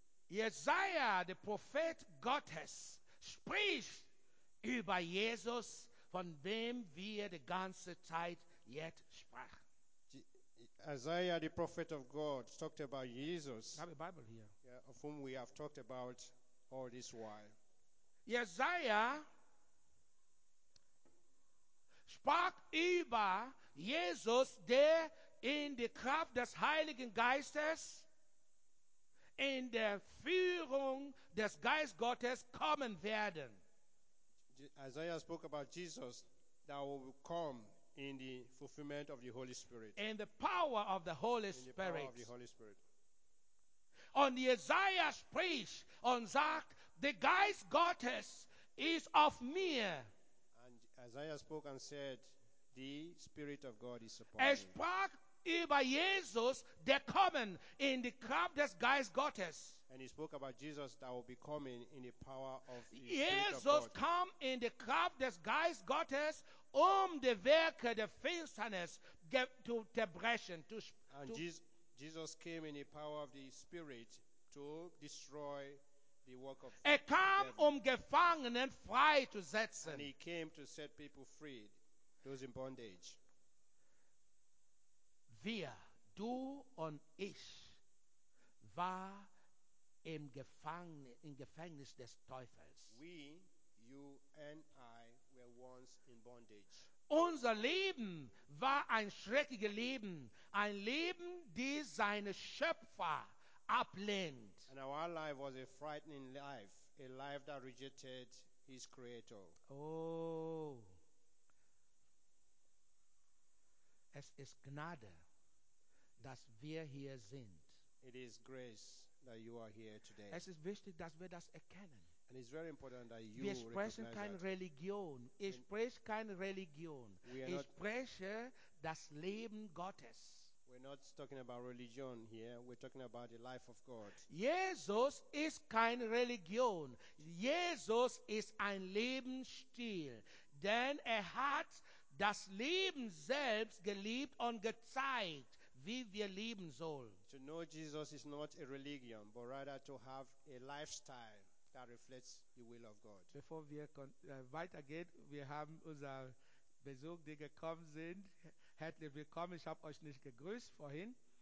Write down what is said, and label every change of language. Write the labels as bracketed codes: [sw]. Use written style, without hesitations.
[de] Jesaja, der Prophet Gottes, spricht über Jesus, von dem wir die ganze Zeit jetzt sprachen. [en] Isaiah, the prophet of God, talked about Jesus. I have a Bible here. Yeah, of whom we have talked about all this while. [de] Jesaja sprach über Jesus, der in der Kraft des Heiligen Geistes in der Führung des Geist Gottes kommen werden. [en] Isaiah spoke about Jesus that will come in the fulfillment of the Holy Spirit. In the power of the Holy Spirit. The power of the Holy Spirit. [de] Und Jesaja spricht und sagt, der Geist Gottes ist auf mir. [en] And Isaiah spoke and said, the Spirit of God is upon me. [de] Er sprach über Jesus, der kommen in die Kraft des Geist Gottes. [en] And he spoke about Jesus that will be coming in the power of the [de] Jesus kam in die Kraft des Geist Gottes, die Werke der Finsternis zu zerbrechen. [en] Jesus came in the power of the Spirit to destroy the work of [de] Er kam [en] devil. [de] Gefangenen frei zu setzen. [en] And he came to set people free, those in bondage. [de] Wir, du und ich, war im Gefängnis des Teufels. [en] We, you and I, were once in bondage. [de] Unser Leben war ein schreckliches Leben, ein Leben, das seine Schöpfer ablehnt. [en] And our life was a frightening life, a life that rejected His Creator. [de] Oh, es ist Gnade, dass wir hier sind. [en] It is grace that you are here today. [de] Es ist wichtig, dass wir das erkennen. [en] And it's very important that you recognize that. [de] Wir sprechen keine Religion. Ich spreche keine Religion. Ich spreche das Leben Gottes. [en] We're not talking about religion here. We're talking about the life of God. [de] Jesus ist keine Religion. Jesus ist ein Lebensstil. Denn hat das Leben selbst geliebt und gezeigt, wie wir leben sollen. [en] To know Jesus is not a religion, but rather to have a lifestyle that reflects the will of God. [de] Bevor wir weitergehen, wir haben unser Besuch, die gekommen sind. Herzlich willkommen, ich habe euch nicht gegrüßt vorhin.